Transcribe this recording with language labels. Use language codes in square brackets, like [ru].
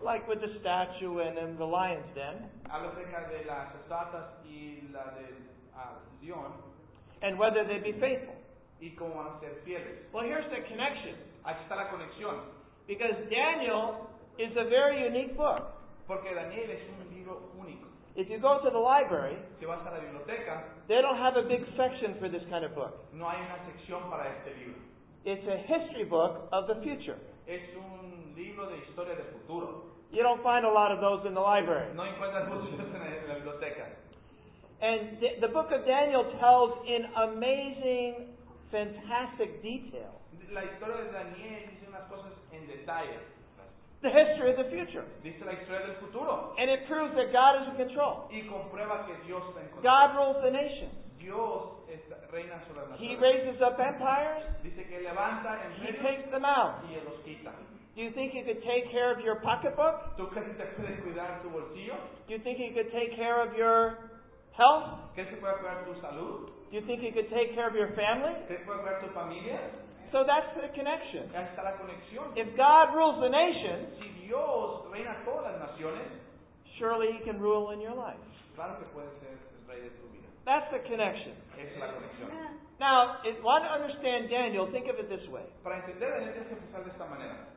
[en] Like with the statue and then the lion's den. [es] Hablo acerca de las estatuas y la del león. [en] And whether they be faithful. [es] Y cómo van a ser fieles. [en] Well, here's the connection. [es] Aquí está la conexión. [en] Because Daniel is a very unique book. [es] Porque Daniel es un libro único. [en] If you go to the library, [es] si vas a la biblioteca, [en] they don't have a big section for this kind of book. [es] No hay una sección para este libro. [en] It's a history book of the future. [es] Es un libro de historia del futuro. [en] You don't find a lot of those in the library. [es] No encuentras muchos en la biblioteca. [en] And the book of Daniel tells in amazing, fantastic detail. [es] La historia de Daniel dice unas cosas en detalle. [en] The history of the future. [es] Dice la historia del futuro. [en] And it proves that God is in control. [es] Y comprueba que Dios está en control. [en] God rules the nations. [es] Dios reina sobre las naciones. [en] He raises up empires. [es] Dice que levanta empires. [en] He takes them out. [es] Y los quita. [en] Do you think you could take care of your pocketbook? [es] ¿Tú crees que te puedes cuidar tu bolsillo? [en] Do you think you could take care of your health? [es] ¿Crees que puedes cuidar tu salud? [en] Do you think you could take care of your family? [es] ¿Crees que puedes cuidar tu familia? [en] So that's the connection. [es] Ahí está la conexión. [en] If God rules the nations, [es] si Dios reina todas las naciones, [en] surely He can rule in your life. [es] Claro que puede ser el rey de tu vida. [en] That's the connection. [es] Es la conexión. [en] Now, if you want to understand Daniel, think of it this way. [es] Para entender, tienes que pensar de esta manera.